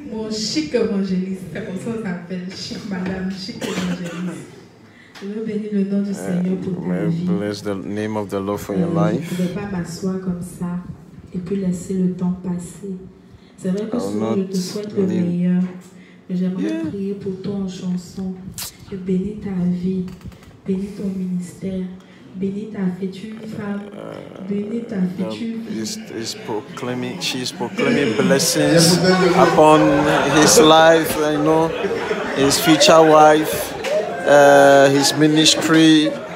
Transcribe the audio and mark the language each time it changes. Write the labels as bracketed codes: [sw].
[fr] Chic évangéliste, c'est comme ça qu'on s'appelle, chic madame, chic évangéliste. Je veux bénir le nom du Seigneur pour ta vie. [en] Bless the name of the Lord for your life. [fr] Je ne pouvais pas m'asseoir comme ça et puis laisser le temps passer. C'est vrai que souvent je te souhaite le meilleur, mais j'aimerais prier pour toi en chanson. Je bénis ta vie, bénis ton ministère. [en] She's proclaiming blessings upon his life, you know, his future wife, his ministry.